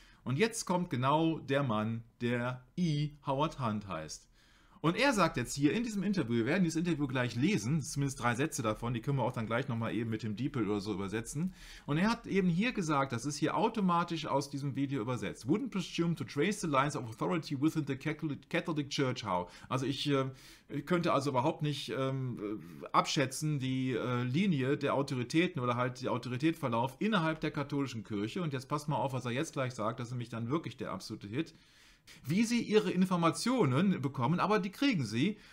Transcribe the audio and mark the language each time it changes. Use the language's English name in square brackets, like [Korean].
[German] Und jetzt kommt genau der Mann, der E. Howard Hunt heißt. Und er sagt jetzt hier in diesem Interview, wir werden dieses Interview gleich lesen, zumindest drei Sätze davon, die können wir auch dann gleich nochmal eben mit dem DeepL oder so übersetzen. Und er hat eben hier gesagt, das ist hier automatisch aus diesem Video übersetzt. [English] Wouldn't presume to trace the lines of authority within the Catholic Church, how? [German] Also ich könnte also überhaupt nicht abschätzen, die Linie der Autoritäten oder halt die Autoritätsverlauf innerhalb der katholischen Kirche. Und jetzt passt mal auf, was er jetzt gleich sagt, das ist nämlich dann wirklich der absolute Hit. Wie sie ihre Informationen bekommen, aber die kriegen sie.